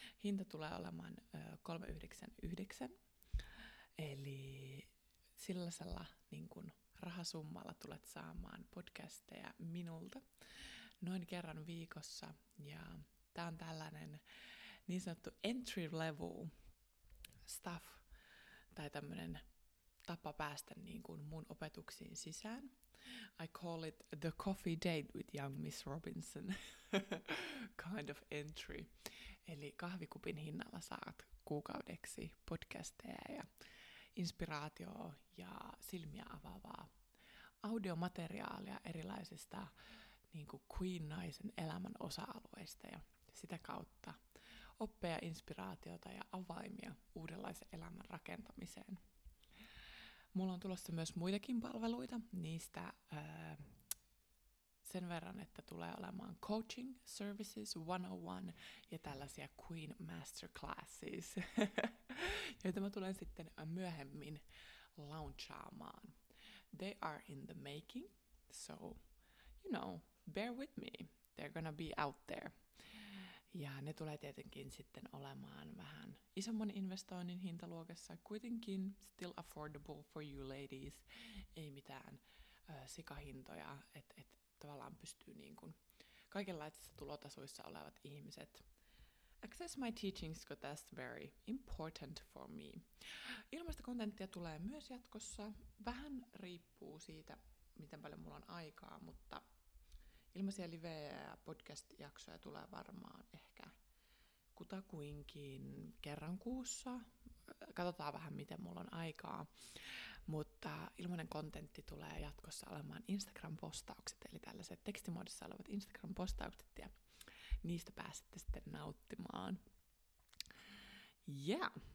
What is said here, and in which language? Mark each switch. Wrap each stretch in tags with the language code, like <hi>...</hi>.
<fi>Hinta tulee olemaan 399, eli sellaisella niin kun rahasummalla tulet saamaan podcasteja minulta noin kerran viikossa. Ja tää on tällainen niin sanottu</fi> <en>entry level stuff,</en> <fi>tai tämmönen tapa päästä niin kuin mun opetuksiin sisään.</fi> <en>I call it the coffee date with young Miss Robinson kind of entry.</en> <fi>Eli kahvikupin hinnalla saat kuukaudeksi podcasteja ja inspiraatioa ja silmiä avaavaa audiomateriaalia erilaisista niin kuin queen-naisen elämän osa-alueista ja sitä kautta oppeja, inspiraatiota ja avaimia uudenlaisen elämän rakentamiseen. Mulla on tulossa myös muitakin palveluita, niistä sen verran, että tulee olemaan coaching services 101 ja tällaisia queen masterclasses, joita mä tulen sitten myöhemmin launchaamaan.</fi> <en>they are in the making. So, you know, bear with me. They're gonna be out there.</en> <fi>Ja ne tulee tietenkin sitten olemaan vähän isomman investoinnin hintaluokassa. Kuitenkin</fi> <en>still affordable for you ladies.</en> <fi>Ei mitään sikahintoja, että et tavallaan pystyy niin kuin kaikenlaisissa tulotasoissa olevat ihmiset.</fi> <en>Access my teachings, because that's very important for me.</en> <fi>Ilmastokontenttia tulee myös jatkossa. Vähän riippuu siitä, miten paljon mulla on aikaa, mutta ilmaisia livejä ja podcast-jaksoja tulee varmaan ehkä kutakuinkin kerran kuussa. Katsotaan vähän, miten mulla on aikaa. Mutta ilmainen kontentti tulee jatkossa olemaan Instagram-postaukset, eli tällaiset tekstimuodossa olevat Instagram-postaukset, ja niistä pääsette sitten nauttimaan. Yeah!</fi>